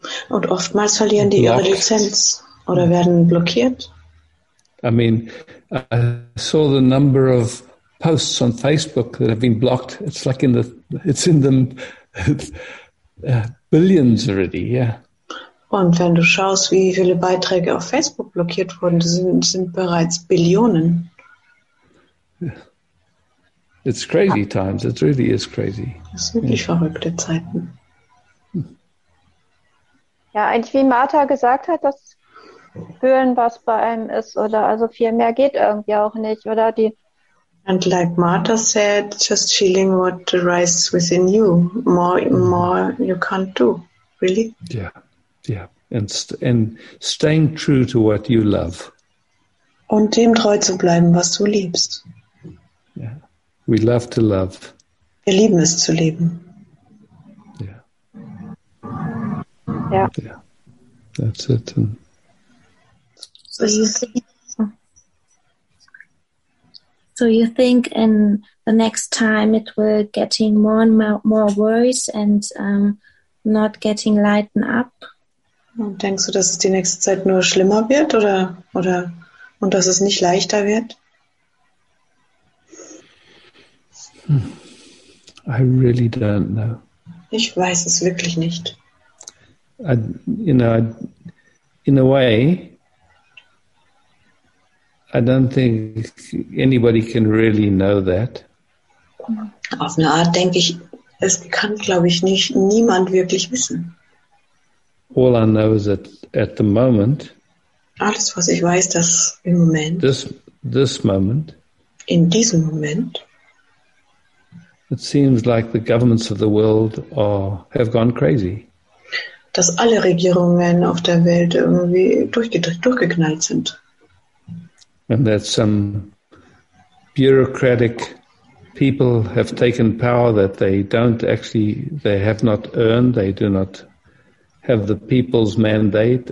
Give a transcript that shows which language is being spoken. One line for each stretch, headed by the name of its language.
German: Und oftmals verlieren die ihre Lizenz oder werden blockiert.
English: I mean, I saw the number of posts on Facebook that have been blocked. It's like billions already, yeah.
German: Und wenn du schaust, wie viele Beiträge auf Facebook blockiert wurden, sind bereits Billionen.
English: Yeah. It's crazy times. It really is crazy.
German: Das sind wirklich verrückte Zeiten. Ja, eigentlich wie Martha gesagt hat, dass fühlen, was bei einem ist, oder also viel mehr geht irgendwie auch nicht, oder die.
English: And like Martha said, just feeling what arises within you, more you can't do, really. Yeah, and staying true to what you love.
German: Und dem treu zu bleiben, was du liebst.
English: Yeah, we love to love.
German: Wir lieben es zu leben.
English: Yeah. Yeah. Yeah. That's it. And So you think in the next time it will getting more and more worse and not getting lightened up?
German: Und denkst du, dass es die nächste Zeit nur schlimmer wird oder und dass es nicht leichter wird?
English: I really don't know.
German: Ich weiß es wirklich nicht.
English: In a way, I don't think anybody can really know that.
German: Auf eine Art denke ich, es kann, glaube ich, niemand wirklich wissen.
English: All I know is that at the moment.
German: Alles, was ich weiß, dass im Moment.
English: This moment.
German: In diesem Moment.
English: It seems like the governments of the world have gone crazy.
German: Dass alle Regierungen auf der Welt irgendwie durchgeknallt sind.
English: And that some bureaucratic people have taken power that they have not earned, they do not have the people's mandate.